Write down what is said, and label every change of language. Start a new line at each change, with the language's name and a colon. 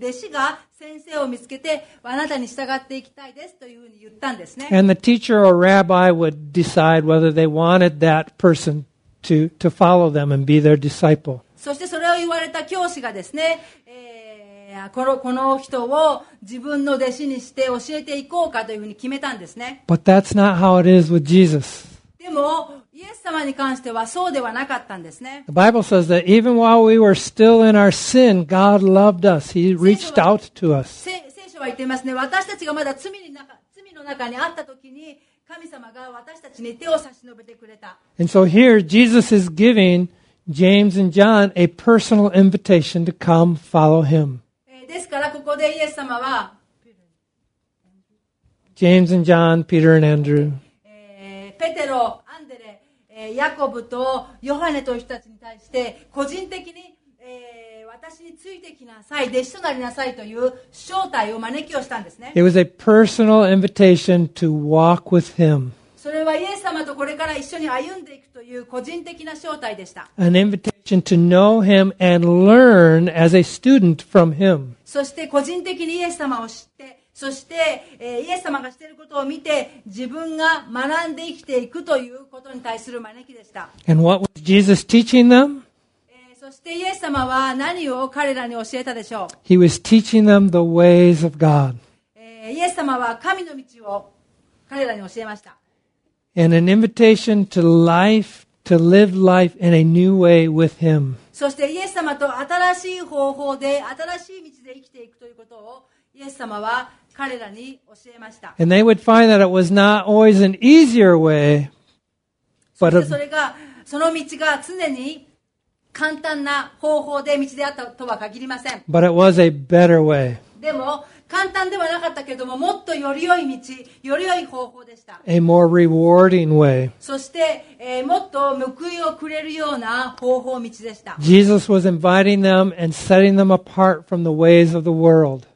Japanese: 弟子が先生を見つけて、あなたに従っていきたいですというふうに言ったんですね。
English: And the teacher or rabbi would decide whether they wanted that person to follow them and be their disciple.
Japanese: そしてそれを言われた教師がですね、この人を自分の弟子にして教えていこうかというふうに決めたんですね。
English: But that's not how it is with Jesus.
Japanese: でも、イエス様に関してはそうではなかったんですね。
English: The Bible says that even while we were still in our sin, God loved us. He reached out to us.
Japanese: 聖書は言っていますね。私たちがまだ罪の中にあった時に、神様が私たちに手を差し伸べてくれた。
English: And so here, Jesus is giving James and John a personal invitation to come follow him.
Japanese: ですからここでイエス様は、
English: James and John, Peter and Andrew.
Japanese: ペテロ、アンデレ、ヤコブとヨハネという人たちに対して個人的に、私についてきなさい、弟子となりなさいという招待を招きをしたんですね。
English: It was a personal invitation to walk with him.
Japanese: それはイエス様とこれから一緒に歩んでいくという個人的な招待でした。
English: An invitation to know him and learn as a student from him.
Japanese: そして個人的にイエス様を知って、そして、イエス様がしていることを見て自分が学んで生きていくということに対する招きでした。
English: And what was Jesus teaching them?
Japanese: そしてイエス様は何を彼らに教えたでしょう?
English: He was teaching them the ways of God.
Japanese: イエス様は神の道を彼らに教えました。
English: And an invitation to life, to live life in a new way with him.
Japanese: そしてイエス様と新しい方法で、新しい道で生きていくということをイエス様は彼らに教えました。
English: And they would find that it was not always an easier way, but
Japanese: その道が常に簡単な方法で道であったとは限りません。
English: But it was a better way.
Japanese: でも簡単ではなかったけれども、もっとより良い道、より良い方法でした。
English: A more rewarding way.
Japanese: そして、もっと報いをくれるような方法道でした。
English: Jesus was inviting them and setting them apart from the ways of the world.